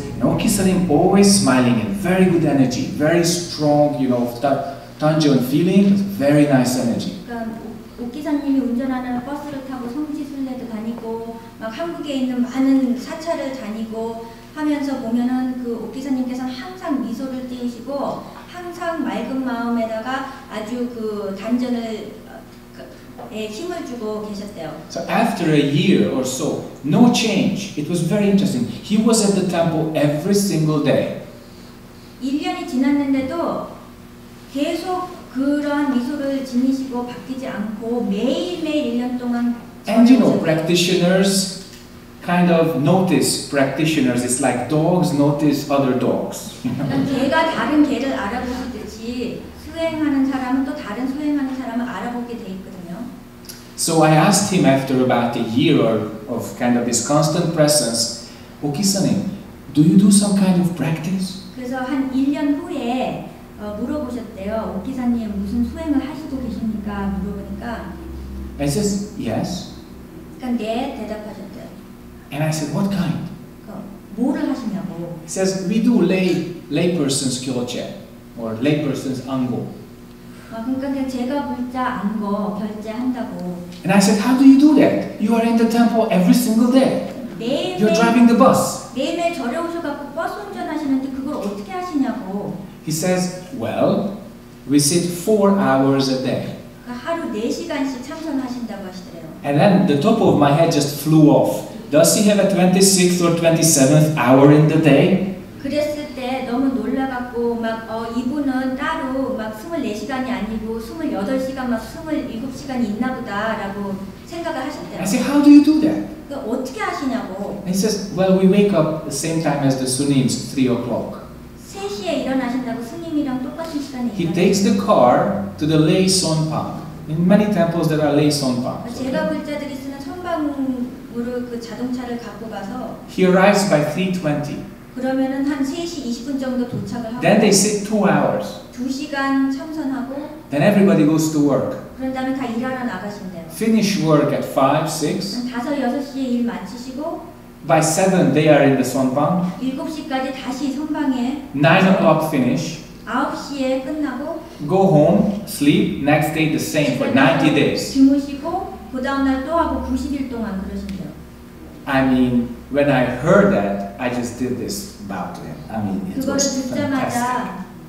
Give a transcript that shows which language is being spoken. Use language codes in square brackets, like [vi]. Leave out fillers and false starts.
[en] And Ok Kisanim always smiling and very good energy, very strong Tanjon feeling, very nice energy. [ko] 그러니까 Ok 기사님이 운전하는 버스를 타고 송지 순례도 다니고 막 한국에 있는 많은 사찰을 다니고 하면서 보면은 그 Ok 기사님께서는 항상 미소를 띠시고 항상 맑은 마음에다가 아주 그 단전을 힘을 주고 계셨대요. [en] So after a year or so, no change. It was very interesting. He was at the temple every single day. [ko] 1년이 지났는데도 계속 그런 미소를 지니시고 바뀌지 않고 매일매일 1년 동안 [en] And practitioners kind of notice practitioners. It's like dogs notice other dogs. [ko] 개가 다른 개를 알아보듯이 수행하는 사람은 또 다른 수행하는 사람을 알아보게 돼 있거든요. [en] So I asked him after about a year of kind of this constant presence, Ok Kisanim, do you do some kind of practice? [ko] 그래서 한 1년 후에 물어보셨대요. Ok Kisanim, 무슨 수행을 하시고 계십니까? 물어보니까 [en] I said, yes. [ko] 그러니까 네, 대답하셨대요. [en] And I said, what kind? [ko] 뭐를 하시냐고. [en] He says, we do layperson's kyoche, or layperson's ango. [ko] 그러니까 그냥 제가 불자 안 거 결제 한다고. [en] And I said, how do you do that? You are in the temple every single day. [ko] 매일 [en] You're driving the bus. [ko] 매일 절에 오셔갖고 버스 운전하시는데 그걸 어떻게 하시냐고. [en] He says, well, we sit 4 hours a day. [ko] 하루 4 시간씩 참선하신다고 하시더래요. [en] And then the top of my head just flew off. Does he have a 26th or 27th hour in the day? [ko] 그랬을 때 너무 놀라갖고 막 이분은 따로 막 24시간이 아니고 28시간 막 27시간이 있나 보다라고 생각을 하셨대요. [en] I said, how do you do that? [ko] 그러니까 어떻게 하시냐고. [en] He says, well, we wake up the same time as the Sunnis, 3 o'clock. [ko] 3시에 일어나신다고 스님이랑 똑같은 시간에 [en] He takes the car to the Lay Son Park. In many temples, there are Lay Son Park. [ko] 제가 불자들이 쓰는 선방으로 그 자동차를 갖고 가서 [en] He arrives by 3:20. [ko] 그러면은 한 3시 20분 정도 도착을 하고 [en] Then they sit 2 hours. [ko] 2시간 참선하고 [en] Then everybody goes to work. [ko] 그런 다음에 다 일하러 나가신대요. [en] Finish work at 5, 6. [ko] 5, 6시에 일 마치시고 [en] By 7, they are in the Sonbang. [ko] 7시까지 다시 선방에 [en] 9 o'clock finish. [ko] 9시에 끝나고 [en] Go home, sleep. Next day the same for 90 days. [ko] 주무시고 그 다음날 또 하고 90일 동안 그러신대요. [en] I mean, when I heard that, I just did this bow to him. I mean, it was fantastic.